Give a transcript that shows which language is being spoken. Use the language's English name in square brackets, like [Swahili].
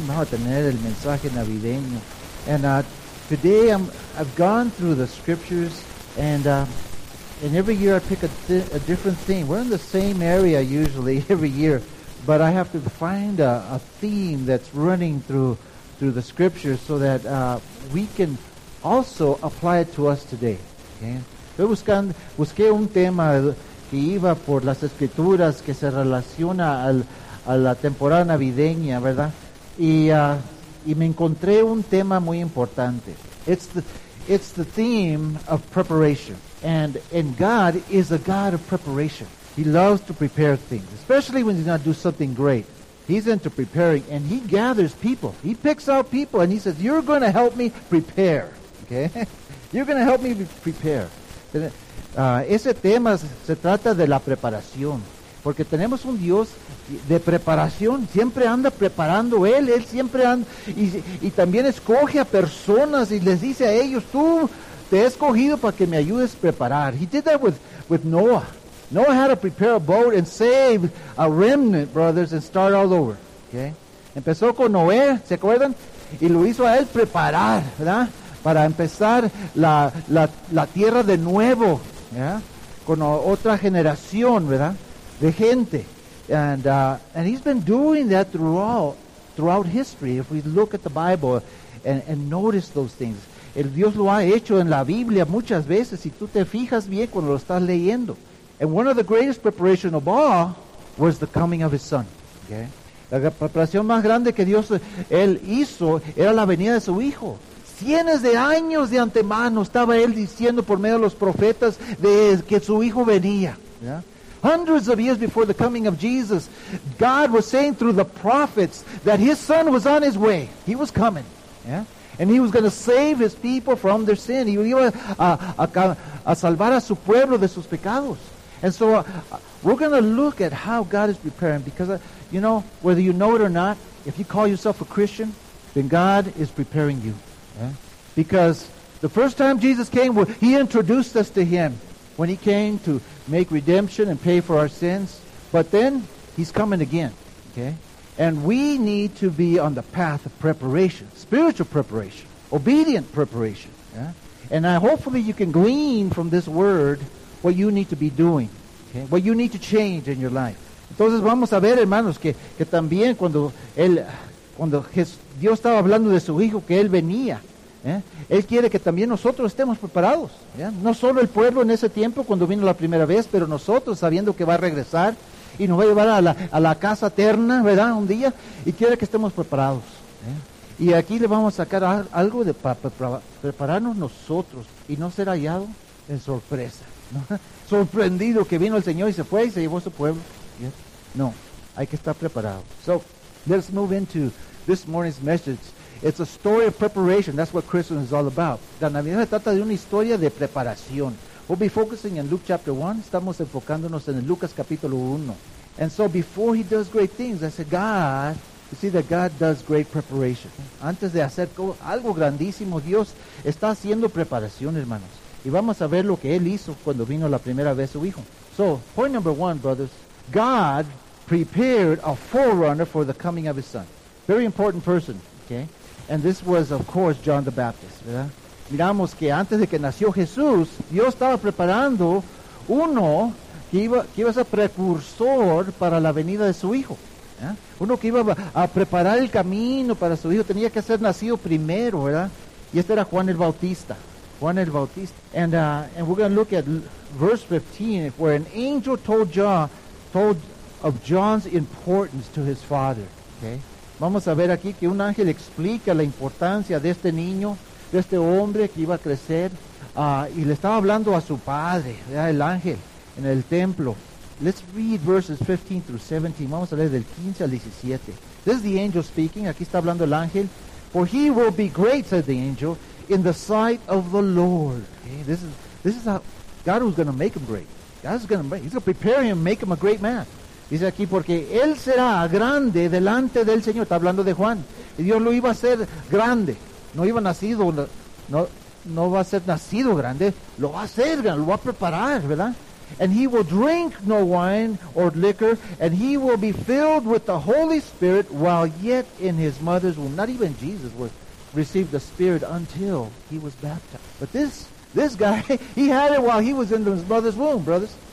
[Spanish] Vamos a tener el mensaje navideño. [English] And today I've gone through the scriptures, and every year I pick a different theme. We're in the same area usually every year, but I have to find a theme that's running through the scriptures so that we can also apply it to us today. Okay? [Spanish] Estoy busqué un tema que iba por las escrituras que se relaciona a la temporada navideña, ¿verdad? Y me encontré un tema muy importante. [English] It's the theme of preparation. And God is a God of preparation. He loves to prepare things, especially when he's going to do something great. He's into preparing, and he gathers people. He picks out people, and he says, "You're going to help me prepare." Okay? You're going to help me prepare. [Spanish] Ese tema se trata de la preparación, porque tenemos un Dios de preparación, siempre anda preparando él siempre anda, y también escoge a personas y les dice a ellos, tú te he escogido para que me ayudes a preparar. [English] He did that with Noah. Noah had to prepare a boat and save a remnant, brothers, and start all over. [Spanish] Okay? Empezó con Noé, ¿se acuerdan? Y lo hizo a él preparar, ¿verdad? Para empezar la tierra de nuevo, ¿verdad? Con otra generación, ¿verdad? De gente. [English] And he's been doing that throughout history. If we look at the Bible and notice those things. [Spanish] El Dios lo ha hecho en la Biblia muchas veces. Si tú te fijas bien cuando lo estás leyendo. [English] And one of the greatest preparation of all was the coming of his son. Okay? [Spanish] La preparación más grande que Dios él hizo era la venida de su hijo. Cientos de años de antemano estaba él diciendo por medio de los profetas de que su hijo venía. [English] Yeah? Hundreds of years before the coming of Jesus, God was saying through the prophets that his son was on his way. He was coming. Yeah? And he was going to save his people from their sin. [Spanish] He iba a salvar a su pueblo de sus pecados. [English] And so we're going to look at how God is preparing. Because, you know, whether you know it or not, if you call yourself a Christian, then God is preparing you. Yeah? Because the first time Jesus came, he introduced us to him when he came to make redemption and pay for our sins. But then he's coming again. Okay, and we need to be on the path of preparation, spiritual preparation, obedient preparation. Yeah? And hopefully you can glean from this word what you need to be doing, okay? What you need to change in your life. [Spanish] Entonces vamos a ver, hermanos, que también cuando Dios estaba hablando de su hijo, que él venía, ¿eh? Él quiere que también nosotros estemos preparados, ¿eh? No solo el pueblo en ese tiempo cuando vino la primera vez, pero nosotros sabiendo que va a regresar y nos va a llevar a la casa eterna, ¿verdad? Un día, y quiere que estemos preparados, ¿eh? Y aquí le vamos a sacar algo de prepararnos nosotros y no ser hallado en sorpresa, ¿no? Sorprendido que vino el Señor y se fue y se llevó a su pueblo, ¿eh? No, hay que estar preparado. [English] So, let's move into this morning's message. It's a story of preparation. That's what Christmas is all about. [Spanish] La Navidad se trata de una historia de preparación. [English] We'll be focusing in Luke chapter 1. [Spanish] Estamos enfocándonos en Lucas capítulo 1. [English] And so before he does great things, I said, God, you see that God does great preparation. [Spanish] Antes de hacer algo grandísimo, Dios está haciendo preparación, hermanos. Y vamos a ver lo que él hizo cuando vino la primera vez su hijo. [English] So, point number one, brothers. God prepared a forerunner for the coming of his son. Very important person, okay? And this was, of course, John the Baptist, ¿verdad? [Spanish] Miramos que antes de que nació Jesús, Dios estaba preparando uno que iba a ser precursor para la venida de su hijo, ¿verdad? Uno que iba a preparar el camino para su hijo, tenía que ser nacido primero, ¿verdad? Y este era Juan el Bautista, Juan el Bautista. [English] And we're going to look at verse 15, where an angel told of John's importance to his father, okay? [Spanish] Vamos a ver aquí que un ángel explica la importancia de este niño, de este hombre que iba a crecer, y le estaba hablando a su padre, ¿verdad? El ángel, en el templo. [English] Let's read verses 15 through 17. [Spanish] Vamos a leer del 15 al 17. [English] This is the angel speaking. [Spanish] Aquí está hablando el ángel. [English] For he will be great, said the angel, in the sight of the Lord. Okay? This is how God was going to make him great. He's going to prepare him, make him a great man. [Spanish] Dice aquí, porque él será grande delante del Señor. Está hablando de Juan. Y Dios lo iba a hacer grande. No va a ser nacido grande. Lo va a hacer, lo va a preparar, ¿verdad? [English] and he will drink no wine or liquor, and he will be filled with the Holy Spirit while yet in his mother's womb. Not even Jesus was received the Spirit until he was baptized. But this guy, he had it while he was in his mother's womb, brothers.